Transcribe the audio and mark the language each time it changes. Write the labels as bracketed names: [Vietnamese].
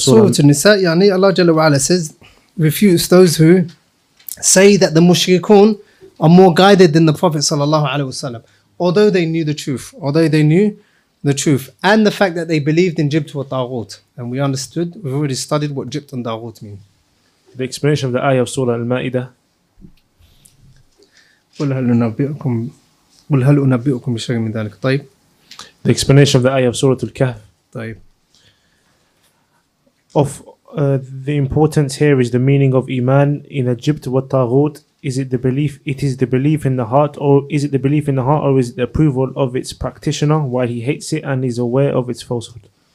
[English] Surah An-Nisa, yani Allah Jalla wa'ala says, refutes those who say that the mushrikun are more guided than the Prophet Sallallahu Alaihi Wasallam. Although they knew the truth. Although they knew the truth. And the fact that they believed in Jibt wa Tawgut. And we understood, we've already studied what Jibt and Tawgut mean. The explanation of the ayah of Surah Al-Ma'idah. [Arabic] قل هل أنبئكم بشيء من ذلك طيب. [English] The explanation of the ayah of Surah Al-Kahf. [Arabic] طيب. [English] Of the importance here is the meaning of iman in Egypt wa taghut. Is it the belief? It is the belief in the heart, or is it the belief in the heart, or is it the approval of its practitioner while he hates it and is aware of its falsehood?